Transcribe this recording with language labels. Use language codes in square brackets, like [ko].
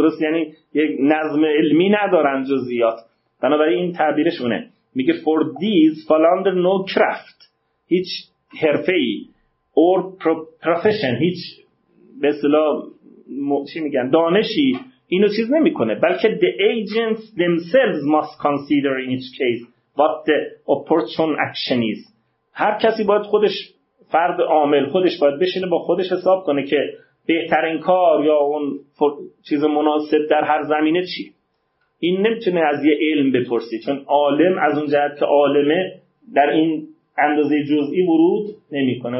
[fa] درست؟ یعنی یک نظم علمی ندارن جزئیات. بنابراین این تعبیرشونه، میگه [en] for these fall under no craft، [fa] هیچ حرفه‌ای [en] or profession، [fa] هیچ به اصطلاح چی میگن دانشی اینو چیز نمی کنه. بلکه [en] the agents themselves must consider in each case what the opportune action is. [fa] هر کسی باید خودش، فرد عامل خودش باید بشینه با خودش حساب کنه که بهترین کار یا اون چیز مناسب در هر زمینه چی. این نمیتونه از یه علم بپرسی، چون عالم از اون جهت که عالمه در این اندازه جزئی ورود نمی کنه.